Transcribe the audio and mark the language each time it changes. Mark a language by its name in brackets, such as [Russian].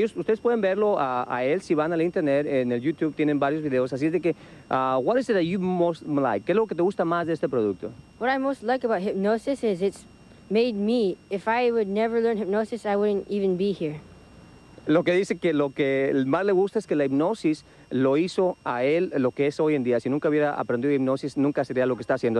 [Spanish] Ustedes pueden verlo a él si van al internet, en el YouTube tienen varios videos. Así es de que, [English] what is it that you most like? [Spanish] ¿Qué es lo que te gusta más de este producto? [English] What I most like about hypnosis is it's made me. If I would never learn hypnosis, I wouldn't even be here. [Spanish] Lo que dice que lo que más le gusta es que la hipnosis lo hizo a él lo que es hoy en día. Si nunca hubiera aprendido hipnosis, nunca sería lo que está haciendo.